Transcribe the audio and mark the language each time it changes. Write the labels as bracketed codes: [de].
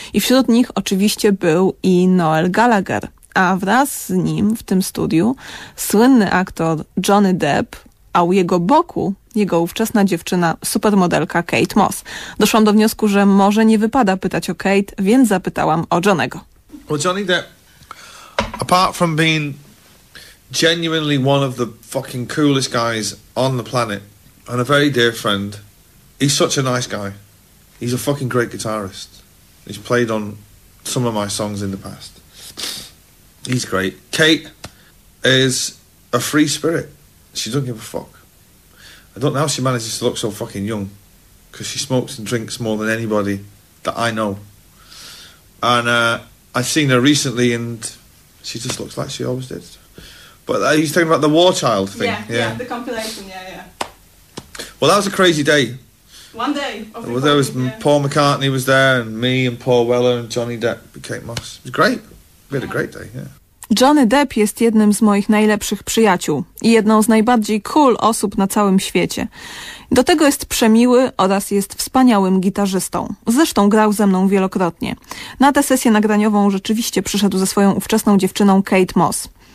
[pl] I wśród nich oczywiście był i Noel Gallagher, a wraz z nim w tym studiu słynny aktor Johnny Depp, a u jego boku jego ówczesna dziewczyna, supermodelka Kate Moss. Doszłam do wniosku, że może nie wypada pytać o Kate, więc zapytałam o Johnny'ego. [en] Well, Johnny Depp, apart from being genuinely one of the fucking coolest guys on the planet and a very dear friend, he's such a nice guy. He's a fucking great guitarist. He's played on some of my songs in the past. He's great. Kate is a free spirit. She doesn't give a fuck. I don't know how she manages to look so fucking young, because she smokes and drinks more than anybody that I know. And I've seen her recently, and she just looks like she always did. But he's talking about the War Child thing. Yeah, the compilation, yeah. Well, that was a crazy day. One day. Well, there was Paul McCartney was there, and me and Paul Weller and Johnny Depp and Kate Moss. It was great. We had a great day, yeah. [pl] Johnny Depp jest jednym z moich najlepszych przyjaciół i jedną z najbardziej cool osób na całym świecie. Do tego jest przemiły oraz jest wspaniałym gitarzystą. Zresztą grał ze mną wielokrotnie. Na tę sesję nagraniową rzeczywiście przyszedł ze swoją ówczesną dziewczyną Kate Moss.